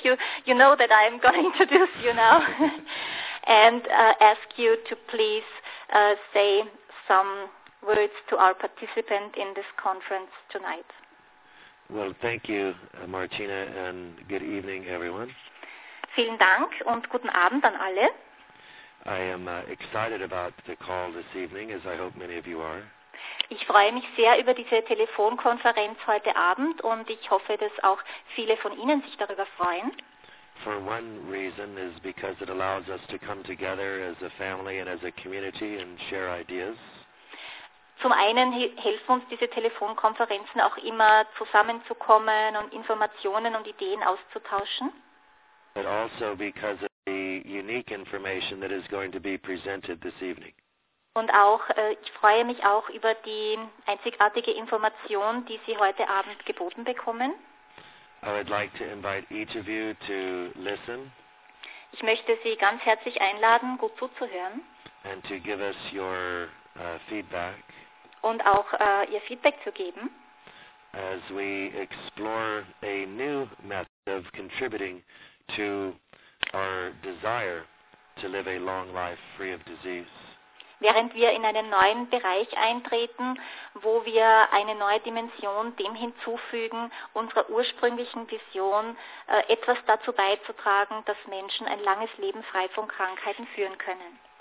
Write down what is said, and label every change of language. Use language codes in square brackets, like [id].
[en] You know that I'm going to introduce you now and ask you to please say some words to our participant in this conference tonight. Well, thank you, Martina, and good evening, everyone. [de] Vielen Dank und guten Abend an alle. [en] I am excited about the call this evening, as I hope many of you are. [de] Ich freue mich sehr über diese Telefonkonferenz heute Abend und ich hoffe, dass auch viele von Ihnen sich darüber freuen. [en] For one reason is because it allows us to come together as a family and as a community and share ideas. [de] Zum einen helfen uns diese Telefonkonferenzen auch immer zusammenzukommen und Informationen und Ideen auszutauschen. [en] But also because of the unique information that is going to be presented this evening. [de] Und auch, ich freue mich auch über die einzigartige Information, die Sie heute Abend geboten bekommen. [en] I would like to invite each of you to listen. [de] Ich möchte Sie ganz herzlich einladen, gut zuzuhören. [en] And to give us your feedback. [de] Und auch Ihr Feedback zu geben. [en] As we explore a new method of contributing to our desire to live a long life free of disease. [de] Während wir in einen neuen Bereich eintreten, wo wir eine neue Dimension dem hinzufügen, unserer ursprünglichen Vision etwas dazu beizutragen, dass Menschen ein langes Leben frei von Krankheiten führen können.